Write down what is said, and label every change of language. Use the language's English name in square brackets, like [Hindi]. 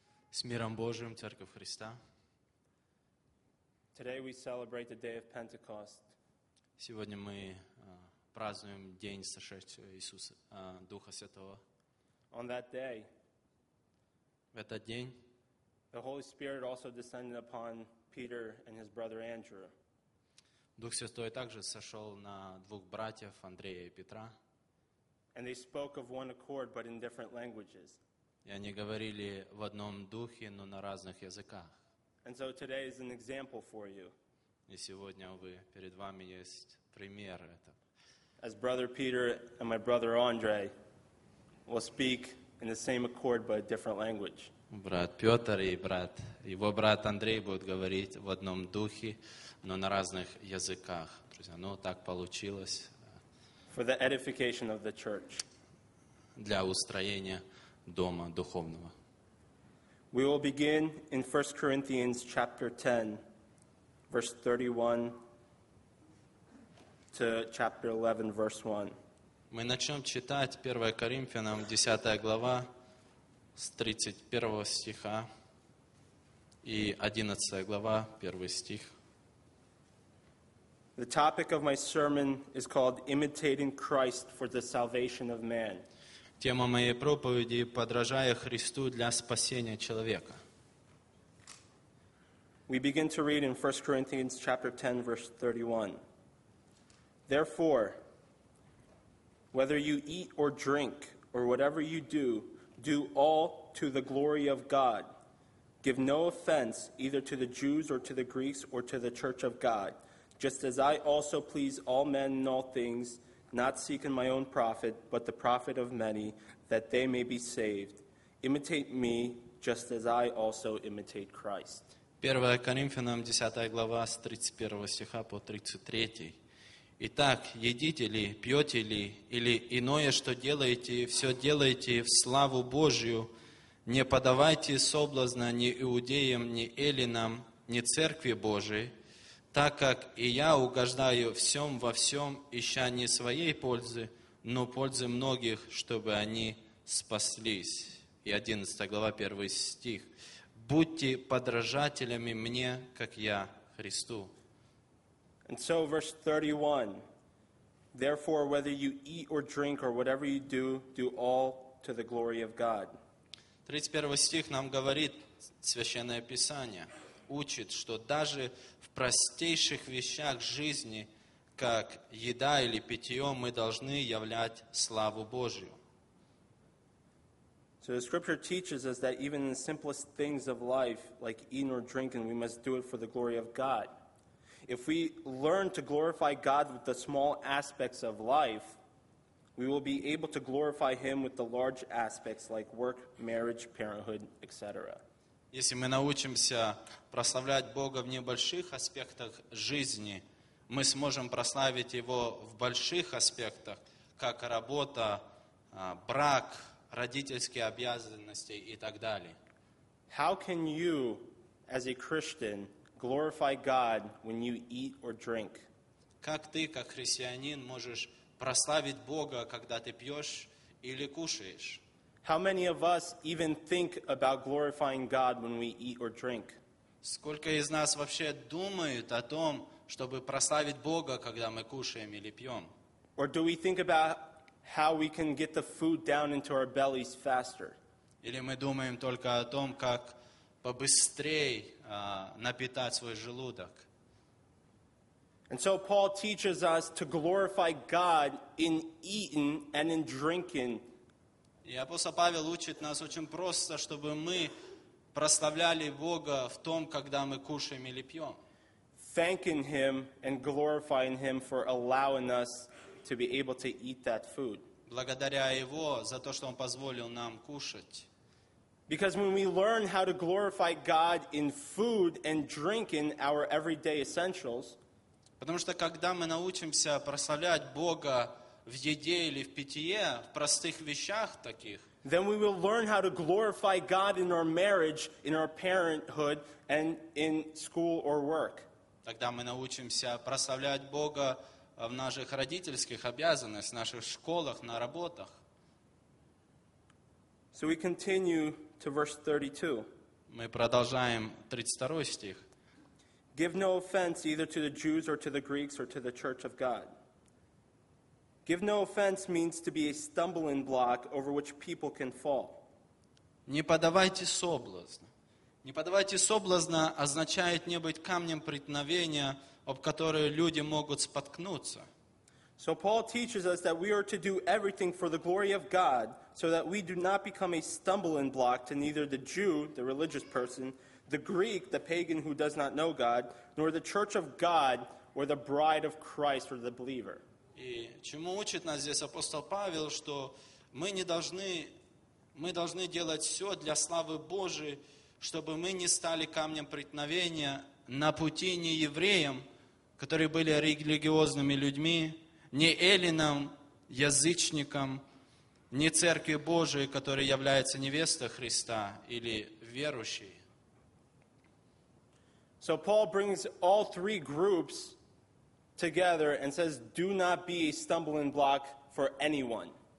[Russian] С миром Божиим, Церковь Христа. [English] Today we celebrate the day of Pentecost. [Russian] Сегодня мы празднуем день сошествия Иисуса Духа Святого. [English] On that day, [Russian] в этот день, [English] the Holy Spirit also descended upon Peter and his brother Andrew. [Russian] Дух Святой также сошел на двух братьев Андрея и Петра. [English] And they spoke of one accord, but in different languages. [Russian] И они говорили в одном духе, но на разных языках. [English] And so today is an example for you. [Russian] И сегодня вы перед вами есть пример этого. [English] As brother Peter and my brother Andre will speak in the same accord, but a different language. [Russian] Брат Петр и брат его брат Андрей будут говорить в одном духе, но на разных языках, друзья. Ну, так получилось. [English] For the edification of the church. [Russian] Для устроения дома духовного. [English] We will begin in 1 Corinthians chapter 10, verse 31 to chapter 11, verse 1. [Russian] Мы начнем читать 1 Коринфянам 10 глава с 31 стиха и 11 глава 1 стих. [English] The topic of my sermon is called "Imitating Christ for the Salvation of Man." [Russian] Тема моей проповеди – «Подражая Христу для спасения человека». [English] We begin to read in 1 Corinthians chapter 10, verse 31. Therefore, whether you eat or drink, or whatever you do, do all to the glory of God. Give no offense either to the Jews or to the Greeks or to the church of God, just as I also please all men in all things, not seeking my own profit, but the profit of many, that they may be saved. Imitate me, just as I also imitate Christ. [Russian] 1 Коринфянам 10 глава с 31 стиха по 33. Итак, едите ли, пьете ли, или иное, что делаете, все делайте в славу Божию, не подавайте соблазна ни иудеям, ни эллинам, ни церкви Божией, так как и я угождаю всем во всем, ища не своей пользы, но пользы многих, чтобы они спаслись. И 11 глава, 1 стих. Будьте подражателями мне, как я Христу. [English] And so, verse 31. Therefore, whether you eat or drink or whatever you do, do all to the glory of God. [Russian] 31 стих нам говорит Священное Писание, учит, что даже в простейших вещах жизни, как еда или питье, мы должны являть славу Божию. [English] So the scripture teaches us that even in the simplest things of life, like eating or drinking, we must do it for the glory of God. If we learn to glorify God with the small aspects of life, we will be able to glorify Him with the large aspects like work, marriage, parenthood, etc. [Russian] Если мы научимся прославлять Бога в небольших аспектах жизни, мы сможем прославить Его в больших аспектах, как работа, брак, родительские обязанности и так далее. [English] How can you, as a Christian, glorify God when you eat or drink? [Russian] Как ты, как христианин, можешь прославить Бога, когда ты пьешь или кушаешь? [English] How many of us even think about glorifying God when we eat or drink? [Russian] Сколько из нас вообще думают о том, чтобы прославить Бога, когда мы кушаем или пьем? [English] Or do we think about how we can get the food down into our bellies faster? [Russian] Или мы думаем только о том, как побыстрее напитать свой желудок? [English] And so Paul teaches us to glorify God in eating and in drinking. [Russian] И апостол Павел учит нас очень просто, чтобы мы прославляли Бога в том, когда мы кушаем или пьем. [English] Thanking Him and glorifying Him for allowing us to be able to eat that food. [Russian] Благодаря Его за то, что Он позволил нам кушать. [English] Because when we learn how to glorify God in food and drinking our everyday essentials. [Russian] Потому что когда мы научимся прославлять Бога в еде или в питье, в простых вещах таких. [English] Then we will learn how to glorify God in our marriage, in our parenthood, and in school or work. [Russian] Тогда мы научимся прославлять Бога в наших родительских обязанностях, в наших школах, на работах. [English] So we continue to verse 32. [Russian] Мы продолжаем 32 стих. [English] Give no offense either to the Jews or to the Greeks or to the church of God. Give no offense means to be a stumbling block over which people can fall. [Russian] Не подавайте соблазна. Не подавайте соблазна означает не быть камнем преткновения, об который люди могут споткнуться. [English] So Paul teaches us that we are to do everything for the glory of God, so that we do not become a stumbling block to neither the Jew, the religious person, the Greek, the pagan who does not know God, nor the church of God, or the bride of Christ, or the believer. [Russian] И чему учит нас здесь апостол Павел, что мы не должны, мы должны делать все для славы Божией, чтобы мы не стали камнем преткновения на пути не евреям, которые были религиозными людьми, не эллинам, язычникам, не церкви Божией, которая является невестой Христа или верующей. [English] So Paul brings all three groups together and says, "Do not be a stumbling block for anyone."